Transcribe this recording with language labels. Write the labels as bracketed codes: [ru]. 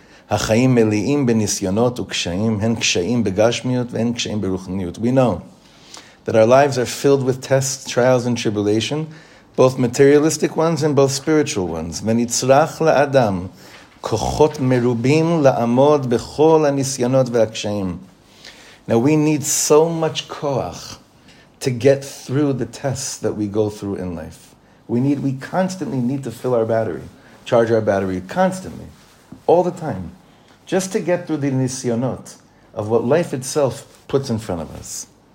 [he] החיים מלאים בניסיונות וקשיים, הן קשיים בגשמיות והן קשיים ברוחניות. [en] We know that our lives are filled with tests, trials and tribulation, both materialistic ones and both spiritual ones. [he] ונצרח לאדם כוחות מרובים לעמוד בכל הניסיונות והקשיים. [en] Now we need so much koach to get through the tests that we go through in life. We constantly need to fill our battery, charge our battery constantly. All the time, just to get through the nisyonot of what life itself puts in front of us.